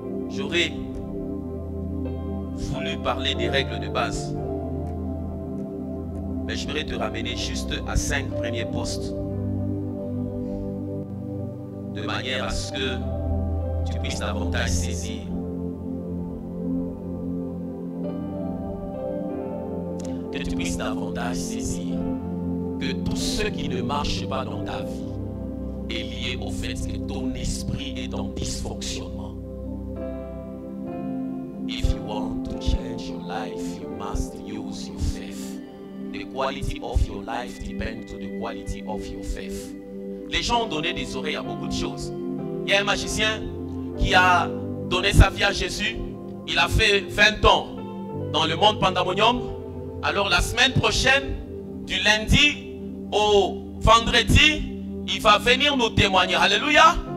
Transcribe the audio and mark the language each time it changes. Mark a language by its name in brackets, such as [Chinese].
[French] J'aurais voulu parler des règles de base, mais je voudrais te ramener juste à 5 premiers postes, de manière à ce que tu puisses davantage saisir. Que tu puisses davantage saisir que tout ce qui ne marche pas dans ta vie est lié au fait que ton esprit est en dysfonctionnement. [English] If you want to change your life, you must use your faith. The quality of your life depends on the quality of your faith. [French] Les gens ont donné des oreilles à beaucoup de choses. Il y a un magicien qui a donné sa vie à Jésus. Il a fait 20 ans dans le monde pandémonium. Alors la semaine prochaine, du lundi au vendredi, il va venir nous témoigner. Alléluia.